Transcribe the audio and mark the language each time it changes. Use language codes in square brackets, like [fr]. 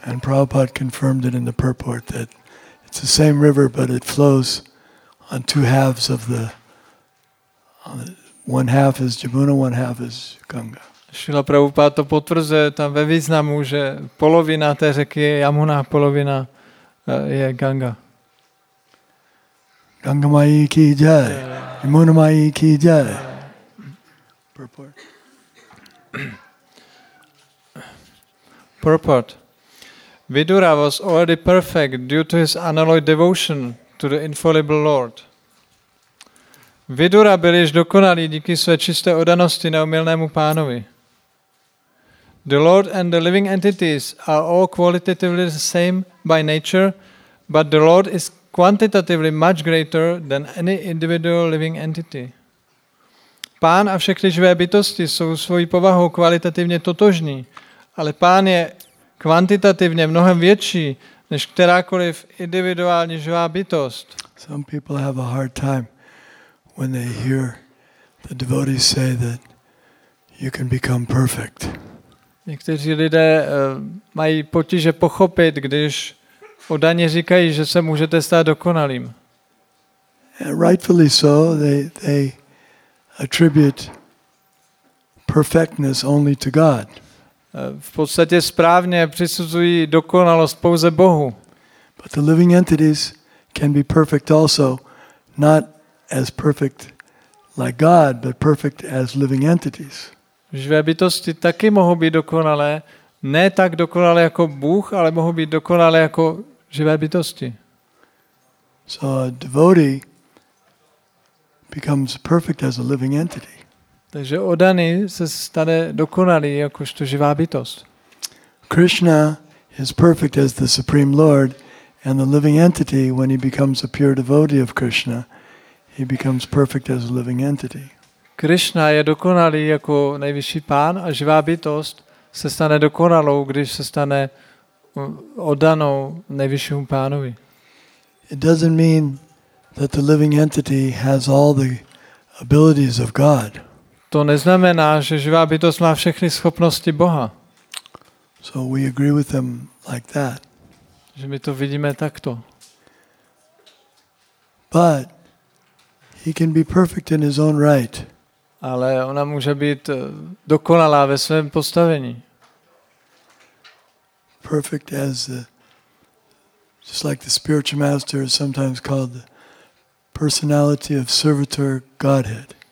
[en] And Prabhupada confirmed it in the purport that it's the same river, but it flows on two halves of the one half is Jamuna, one half is Ganga. [cs] Šrila Prabhupáda to potvrzuje tam ve významu, že polovina té řeky je Yamuna, polovina je Ganga. [hi] Ganga mají ki jai, Yamuna mají ki jai. [en] Purport. Vidura was already perfect due to his unalloyed devotion to the Infallible Lord. [cs] Vidura byl již dokonalý díky své čisté oddanosti neomylnému pánovi. [en] The Lord and the living entities are all qualitatively the same by nature, but the Lord is quantitatively much greater than any individual living entity. [cs] Pán a všechny živé bytosti jsou svojí povahou kvalitativně totožní, ale pán je kvantitativně mnohem větší než kterákoliv individuální živá bytost. [en] Some people have a hard time when they hear the devotees say that you can become perfect. [cs] Někteří lidé mají potíže pochopit, když oddaně říkají, že se můžete stát dokonalým. [en] Rightfully so, they attribute perfectness only to God. [cs] V podstatě správně přisuzují dokonalost pouze Bohu. [en] But the living entities can be perfect also, not as perfect like God, but perfect as living entities. [cs] Živé bytosti taky mohou být dokonalé, ne tak dokonalé jako Bůh, ale mohou být dokonalé jako živé bytosti. [en] So a devotee becomes perfect as a living entity. [cs] Takže oddaný se stane dokonalý jakožto živá bytost. [en] Krishna is perfect as the Supreme Lord and the living entity when he becomes a pure devotee of Krishna, he becomes perfect as a living entity. [cs] Krishna je dokonalý jako nejvyšší pán a živá bytost se stane dokonalou, když se stane oddanou nejvyššímu pánovi. [en] It doesn't mean that the living entity has all the abilities of God. [cs] To neznamená, že živá bytost má všechny schopnosti Boha. [en] So we agree with them like that. [cs] Že my to vidíme takto. [en] But he can be perfect in his own right. [cs] Ale ona může být dokonalá ve svém postavení. [en] Perfect as just like the spiritual master is sometimes called the personality of servitor Godhead.